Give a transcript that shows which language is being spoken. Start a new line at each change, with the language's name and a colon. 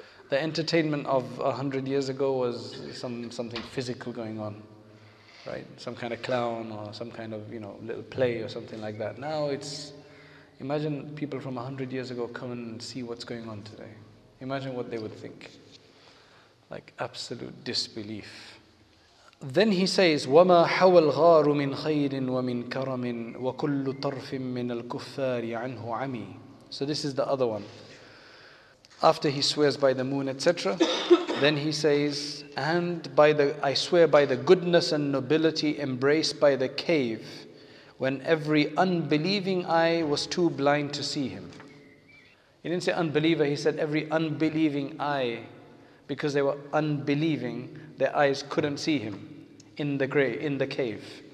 English: The entertainment of 100 years ago was something physical going on. Right? Some kind of clown or some kind of, you know, little play or something like that. Now it's, imagine people from 100 years ago come and see what's going on today. Imagine what they would think. Like absolute disbelief. Then he says,
Arabic: وَمَا حَوَى الْغَارُ مِنْ خَيْرٍ وَمِنْ كَرَمٍ وَكُلُّ طَرْفٍ مِنَ الْكُفَّارِ عَنْهُ عَمِي.
English: So this is the other one. After he swears by the moon, etc., then he says, and I swear by the goodness and nobility embraced by the cave, when every unbelieving eye was too blind to see him. He didn't say unbeliever, he said every unbelieving eye, because they were unbelieving, their eyes couldn't see him in the grave, in the cave.